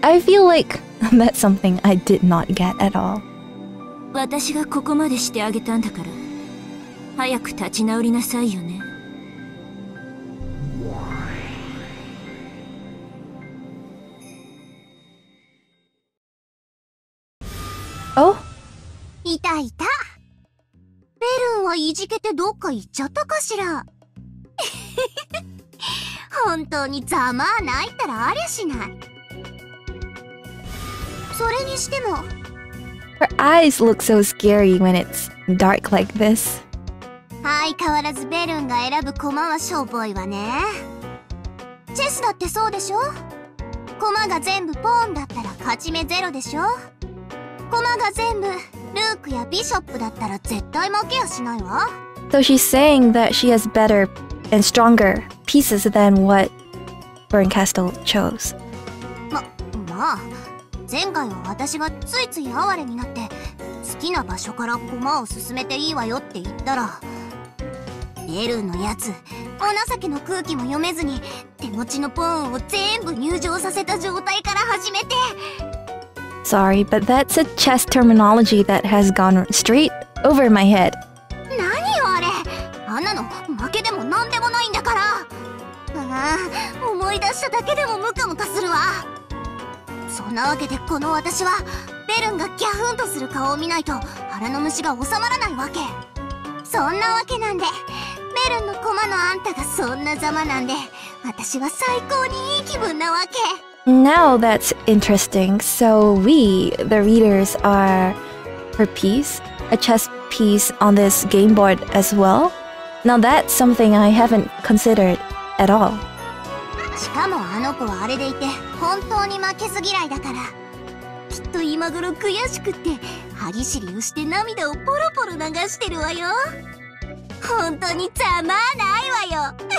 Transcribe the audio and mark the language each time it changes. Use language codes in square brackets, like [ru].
[en] I feel like that's something I did not get at all. [ja] 私がここまでしてあげたんだから、早く立ち直りなさいよね。 [en] Oh? [ja] いたいた。ベルンはいじけてどっか行っちゃったかしら。本当にざまあないったらありゃしない。それにしても [en] Her eyes look so scary when it's dark like this. [ja] 相変わらずベルンが選ぶ駒はしょぼいわね。チェスだってそうでしょ。駒が全部ポーンだったら勝ち目ゼロでしょ。駒が全部ルークやビショップだったら絶対負けやしないわ。 [en] So she's saying that she has betterAnd stronger pieces than what Bernkastel chose. [ja] まあ、前回は私がついつい哀れになって、好きな場所から駒を進めていいわよって言ったら、ベルのやつ、お情けの空気も読めずに、手持ちのポーンを全部入場させた状態から始めて。 [en] Sorry, but that's a chess terminology that has gone straight over my head. [ja] あんなの負けでもなんでもないんだから。うん、思い出しただけでもムカムカするわ。そんなわけでこの私はベルンがギャフンとする顔を見ないと腹の虫が収まらないわけ。そんなわけなんで、ベルンの駒のあんたがそんなざまなんで、私は最高にいい気分なわけ。 [en] Now that's interesting. So we, the readers, are her piece, a chess piece on this game board as well? Now that's something I haven't considered at all. [ja] しかもあの子はあれでいて本当に負けず嫌いだから、きっと今頃悔しくって歯ぎしりをして涙をポロポロ流してるわよ。本当にざまあないわよ。